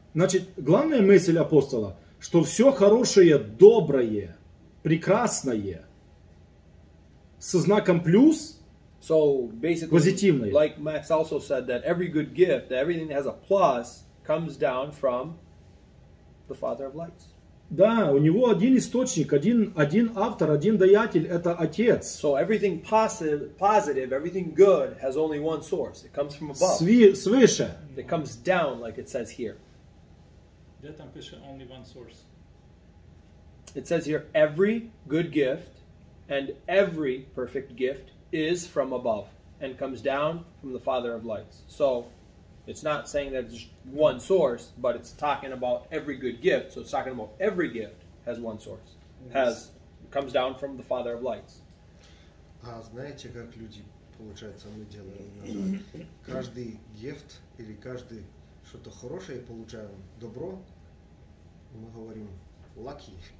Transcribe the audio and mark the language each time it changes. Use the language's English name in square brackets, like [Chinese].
[Russian] Значит, главная мысль апостола, что все хорошее, доброе, прекрасное со знаком плюс. [English] So basically, like Max also said, that every good gift, that everything that has a plus, comes down from the Father of Lights. [Russian] Да, у него один источник, один автор, один даятель, это Отец. [English] So everything positive, everything good, has only one source. It comes from above. [Russian] Свыше. [English] It comes down, like it says here. [Russian] Да, там пишет [English] only one source. It says here, every good gift and every perfect gift is from above and comes down from the Father of Lights. So it's not saying that it's just one source, but it's talking about every good gift. So it's talking about every gift has one source, comes down from the Father of Lights. [Russian] А знаете, как люди, получается, мы делаем назад. Каждый гифт или каждый что-то хорошее получаем добро, мы говорим lucky.